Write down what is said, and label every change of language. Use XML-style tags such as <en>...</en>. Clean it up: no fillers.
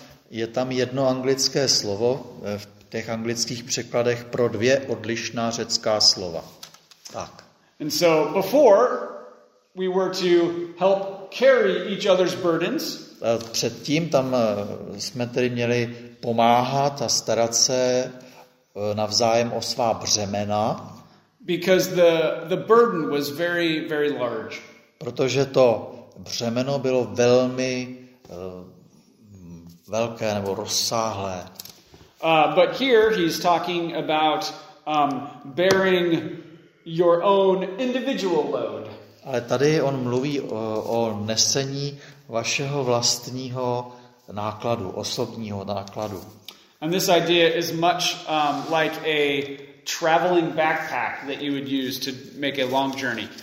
<cs>Je tam jedno anglické slovo v těch anglických překladech pro dvě odlišná řecká slova. Tak.</cs> <en>And so before we were to help carry each other's burdens.</en> <cs>Předtím tam jsme tedy měli pomáhat a starat se navzájem o svá břemena.</cs> <en>Because the burden was very, very large.</en> <cs>Protože to břemeno bylo velmi velké nebo rozsáhlé.</cs> <en>But here he's talking about bearing your own individual load.</en> <cs>Ale tady on mluví o nesení vašeho vlastního nákladu, osobního nákladu.</cs> <en>And this idea is much like a traveling backpack that you would use to make a long journey.</en>